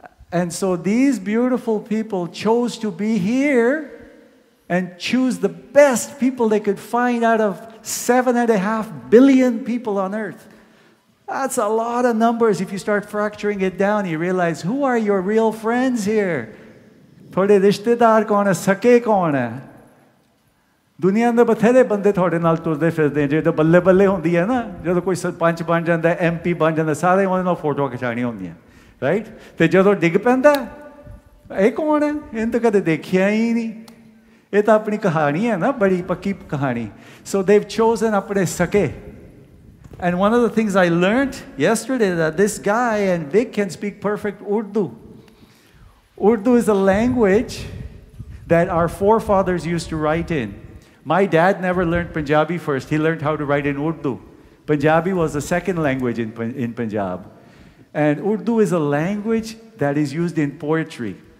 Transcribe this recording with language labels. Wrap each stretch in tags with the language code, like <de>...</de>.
<en>And so these beautiful people chose to be here and choose the best people they could find out of 7.5 billion people on earth. That's a lot of numbers. If you start fracturing it down, you realize, who are your real friends here?</en> <pa>ਤੁਹਾਡੇ ਰਿਸ਼ਤੇਦਾਰ ਕੌਣ ਹੈ, ਸਕੇ ਕੌਣ ਹੈ? ਦੁਨੀਆਂ ਦੇ ਬਥੇਰੇ ਬੰਦੇ ਤੁਹਾਡੇ ਨਾਲ ਤੁਰਦੇ ਫਿਰਦੇ, ਜਦੋਂ ਬੱਲੇ ਬੱਲੇ ਹੁੰਦੀ ਹੈ ਨਾ, ਜਦੋਂ ਕੋਈ ਸਰਪੰਚ ਬਣ ਜਾਂਦਾ, ਐਮ ਪੀ ਬਣ ਜਾਂਦਾ, ਸਾਰੇ ਉਹਦੇ ਨਾਲ ਫੋਟੋਆਂ ਖਿਚਾਉਣੀਆਂ ਹੁੰਦੀਆਂ, ਰਾਈਟ? ਅਤੇ ਜਦੋਂ ਡਿੱਗ ਪੈਂਦਾ, ਇਹ ਕੌਣ ਹੈ, ਇਹਨੂੰ ਤਾਂ ਕਦੇ ਦੇਖਿਆ ਹੀ ਨਹੀਂ. ਇਹ ਤਾਂ ਆਪਣੀ ਕਹਾਣੀ ਹੈ ਨਾ, ਬੜੀ ਪੱਕੀ ਕਹਾਣੀ. ਸੋ</pa> <en>they've chosen</en> <pa>ਆਪਣੇ ਸਕੇ.</pa> <en>And one of the things I learned yesterday that this guy and Vic can speak perfect Urdu. Urdu is a language that our forefathers used to write in. My dad never learned Punjabi first. He learned how to write in Urdu. Punjabi was the second language in Punjab. And Urdu is a language that is used in poetry.</en>